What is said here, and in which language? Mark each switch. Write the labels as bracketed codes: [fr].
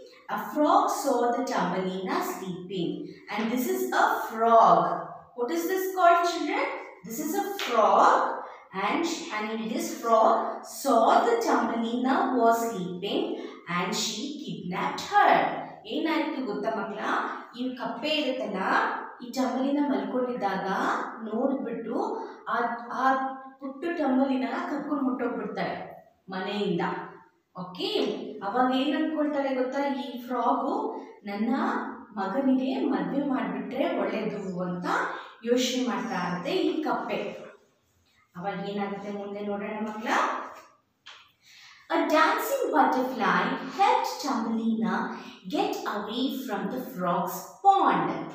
[en] A frog saw the Thumbelina sleeping. And this is a frog. What is this called, children? This is a frog. And this frog saw the Thumbelina was sleeping and she kidnapped her. [kn] ಏನಾಯ್ತು ಗೊತ್ತಾ ಮಕ್ಕಳ, ಈ ಕಪ್ಪೆ ಇರುತ್ತಲ್ಲ ಈ ಟಂಬಲಿನ ಮಲ್ಕೊಂಡಿದ್ದಾಗ ನೋಡ್ಬಿಟ್ಟು ಆ ಪುಟ್ಟ ಟಂಬಲಿನ ಕರ್ಕೊಂಡು ಮುಟ್ಟೋಗ್ಬಿಡ್ತಾರೆ ಮನೆಯಿಂದ. ಓಕೆ, ಅವಾಗ ಏನ್ ಅನ್ಕೊಳ್ತಾರೆ ಗೊತ್ತಾ, ಈ ಫ್ರಾಗು ನನ್ನ ಮಗನಿಗೆ ಮದ್ವೆ ಮಾಡಿಬಿಟ್ರೆ ಒಳ್ಳೇದು ಅಂತ ಯೋಚನೆ ಮಾಡ್ತಾ ಇರುತ್ತೆ ಈ ಕಪ್ಪೆ. ಅವಾಗ ಏನಾಗುತ್ತೆ ಮುಂದೆ ನೋಡೋಣ ಮಕ್ಕಳ. [en] A dancing butterfly helped Thumbelina get away from the frog's pond.